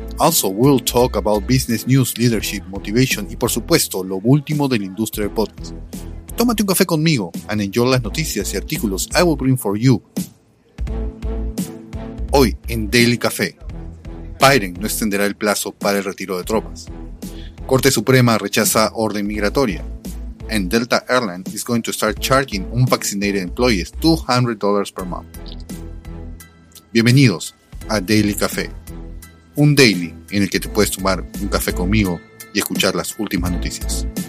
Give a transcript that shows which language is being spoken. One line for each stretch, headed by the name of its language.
English: Also, we'll talk about business news, leadership, motivation
Spanish: y, por supuesto, lo último de la industria del podcast. Tómate un café conmigo
English: and enjoy
Spanish: las noticias y artículos
English: I will bring for you.
Spanish: Hoy, en Daily Café, Biden no extenderá el plazo para el retiro de tropas. Corte Suprema rechaza orden migratoria.
English: And Delta Airlines is going to start charging unvaccinated employees $200 per month.
Spanish: Bienvenidos a Daily Café, un daily en el que te puedes tomar un café conmigo y escuchar las últimas noticias.